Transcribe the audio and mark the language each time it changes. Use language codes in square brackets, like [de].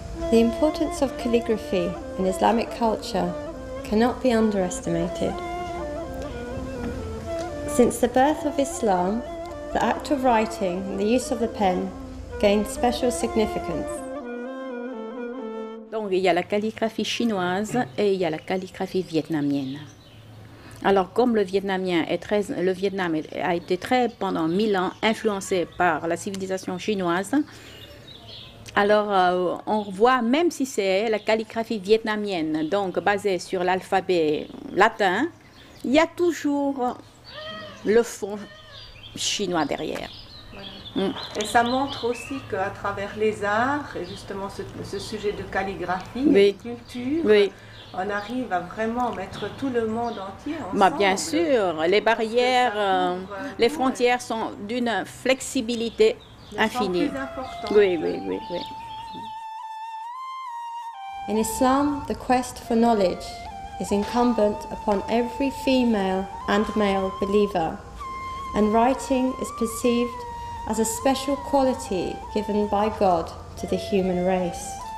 [en] The importance of calligraphy in Islamic culture cannot be underestimated. Since the birth of Islam, the act of writing and the use of the pen gained special significance. [fr] Donc il y a la calligraphie chinoise et il y a la calligraphie vietnamienne. Alors comme le Vietnam a été très pendant 1000 ans influencé par la civilisation chinoise, alors on voit, même si c'est la calligraphie vietnamienne, donc basée sur l'alphabet latin, il y a toujours le fond chinois derrière. Et ça montre aussi qu'à travers les arts, et justement ce sujet de calligraphie, oui, et de culture, oui, on arrive à vraiment mettre tout le monde entier ensemble. Bah, bien sûr, les barrières, les frontières sont d'une flexibilité infinie. Plus importantes. Oui. [en] In Islam, the quest for knowledge is incumbent upon every female and male believer, and writing is perceived as a special quality given by God to the human race.